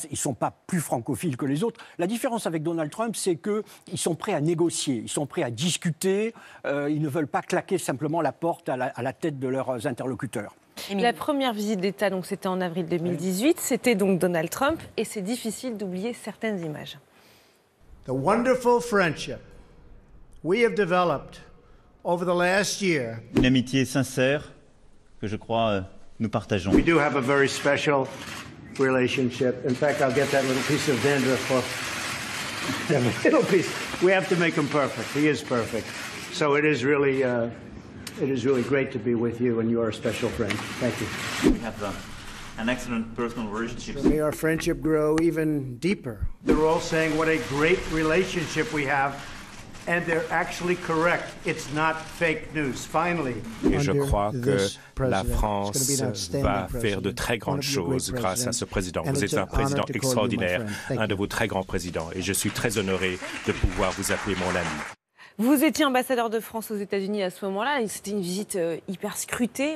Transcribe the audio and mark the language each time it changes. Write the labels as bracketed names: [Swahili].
[French] Ils ne sont pas plus francophiles que les autres. La différence avec Donald Trump, c'est qu'ils sont prêts à négocier. Ils sont prêts à discuter. Ils ne veulent pas claquer simplement la porte à la tête de leurs interlocuteurs. La première visite d'État, donc, c'était en avril 2018. Oui. C'était donc Donald Trump. Et c'est difficile d'oublier certaines images. [English] The wonderful friendship we have developed over the last year. [French] Une amitié sincère que je crois nous partageons. [English] We do have a very special relationship. In fact, I'll get that little piece of dandruff off. Little piece. We have to make him perfect. He is perfect. So it is really, great to be with you and you are a special friend. Thank you. We have an excellent personal relationship. So may our friendship grow even deeper. They're all saying what a great relationship we have. And they're actually correct. It's not fake news. Finally. [French] Et je crois que la France va faire de très grandes choses grâce à ce président. Vous êtes un président extraordinaire, un de vos très grands présidents. Et je suis très honoré de pouvoir vous appeler mon ami. Vous étiez ambassadeur de France aux États-Unis à ce moment-là. Et c'était une visite hyper scrutée.